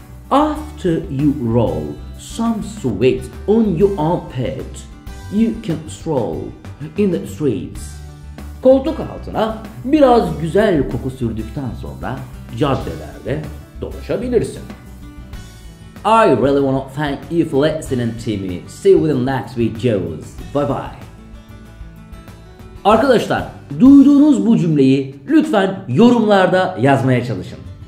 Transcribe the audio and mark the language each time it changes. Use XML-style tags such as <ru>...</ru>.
<en>After you roll some sweat on your armpit, you can stroll in the streets.</en> <tr>Koltuk altına biraz güzel koku sürdükten sonra caddelerde dolaşabilirsin.</tr> <en>I really want to thank you for listening to me. See you in the next videos. Bye bye.</en> <tr>Arkadaşlar, duyduğunuz bu cümleyi lütfen yorumlarda yazmaya çalışın.</tr>